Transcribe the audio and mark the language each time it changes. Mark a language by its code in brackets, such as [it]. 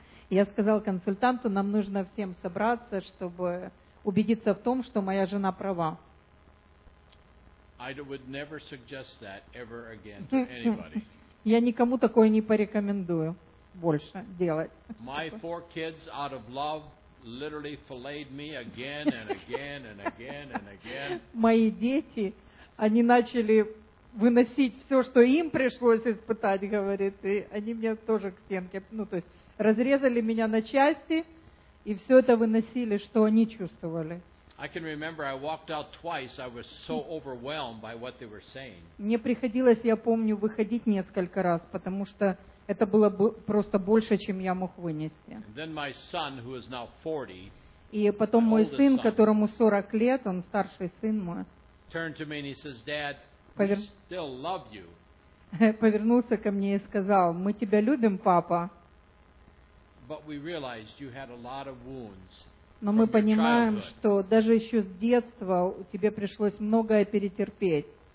[ru] Я сказал консультанту, нам нужно всем собраться, чтобы убедиться в том, что моя жена права. [en] I would never suggest that ever again to anybody. [ru] Я никому такое не порекомендую больше делать. [en] My four kids out of love literally filleted me again and again and again and again. [ru] Мои дети, они начали выносить все, что им пришлось испытать, говорит, и они меня тоже к стенке, ну, то есть разрезали меня на части и все это выносили, что они чувствовали. [en] I can remember I walked out twice. I was so overwhelmed by what they were saying. [ru] Мне приходилось, я помню, выходить несколько раз, потому что это было просто больше, чем я мог вынести. [en] And then my son, who is now 40, [ru] и потом мой сын, которому 40 лет, он старший сын мой, [en] turned to me and he says, "Dad, we still love you." [ru] Повернулся ко мне и сказал, "Мы тебя любим, папа." [en] But we realized you had a lot of wounds. [ru] Но мы понимаем, что даже еще с детства тебе пришлось многое перетерпеть.